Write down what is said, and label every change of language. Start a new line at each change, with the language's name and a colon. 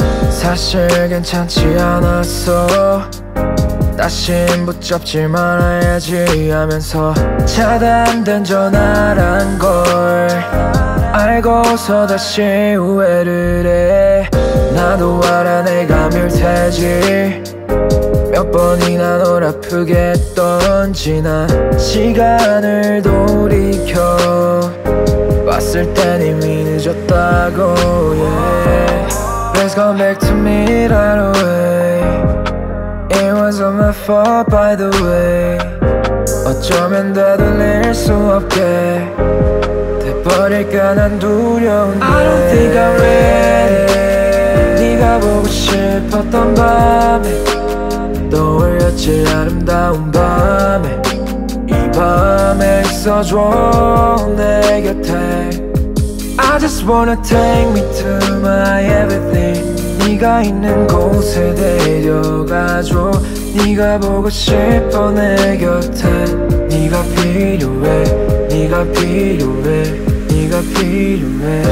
Korean: 사실 괜찮지 않았어. 다시 붙잡지 말아야지 하면서 차단된 전화란 걸 알고서 다시 후회를 해. 나도 알아 내가 밀태지. 몇 번이나 널 아프게 했던 지난 시간을 돌이켜 봤을 땐 이미 늦었다고.
English: Let's come back to me right away. It was all my fault by the way.
Korean: 어쩌면 되돌릴 수 없게 돼버릴까 난 두려운데.
English: I don't think I'm ready.
Korean: 네가 보고 싶었던 밤에 떠올렸지 아름다운 밤에 이 밤에 있어줘 내 곁에.
English: I just wanna take me to my everything.
Korean: 네가 있는 곳에 데려가줘. 네가 보고 싶어 내 곁에. 네가 필요해 네가 필요해 네가 필요해.